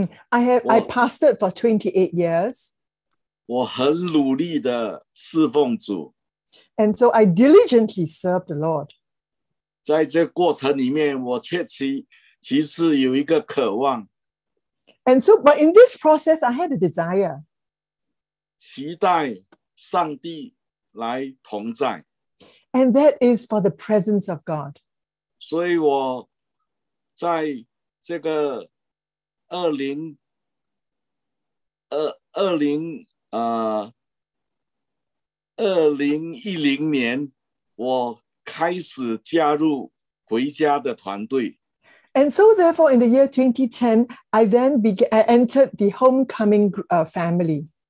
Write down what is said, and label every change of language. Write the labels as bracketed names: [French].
[English] I pastored for 28 years. [Chinese] 我很努力地侍奉主。 [English] And so I diligently served the Lord. [Chinese] 在这过程里面，我确实有一个渴望。 [English] And so, but in this process, I had a desire. [Chinese] 期待上帝来同在。 [English] And that is for the presence of God. [Chinese] 所以我在这个 2010年，我开始加入回家的团队。 [English] And so therefore, in the year 2010, I then entered the homecoming family.